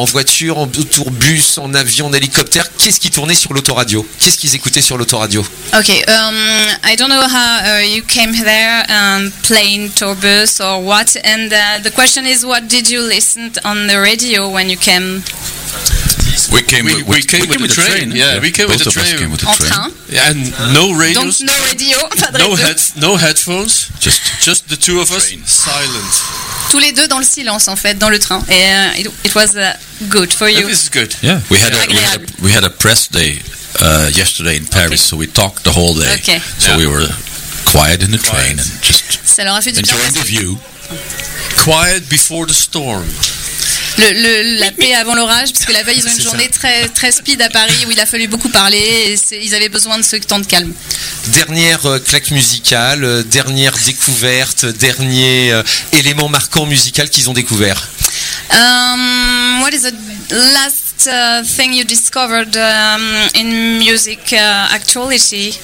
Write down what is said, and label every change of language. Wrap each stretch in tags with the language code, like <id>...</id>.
<fr>En voiture, en tourbus, en avion, en hélicoptère? Qu'est-ce qui tournait sur l'autoradio? Qu'est-ce qu'ils écoutaient sur l'autoradio?</fr> <en>Ok, I don't know how you came there, plane, tourbus or what. And the question is, what did you listen on the radio when you came? We came with the train. Yeah, we came with the train.</en> <fr>En train.</fr> <en>And no radios. Donc, no radio. No headphones. Just the two of us. Silent.</en> <fr>Tous les deux dans le silence, en fait, dans le train.</fr> <en>Et it was good for you. It was good. Yeah. We had a press day yesterday in Paris, okay. So we talked the whole day. Okay. So yeah. We were quiet in the train and just.</en> <fr>Ça leur a fait du bien.</fr> <en>Enjoying the view. Quiet before the storm.</en> <fr>La paix avant l'orage, parce que la veille ils ont une journée très, très speed à Paris où il a fallu beaucoup parler et ils avaient besoin de ce temps de calme. Dernière claque musicale, dernière découverte, dernier élément marquant musical qu'ils ont découvert.</fr> <en>What is the last thing you discovered in music actuality?</en>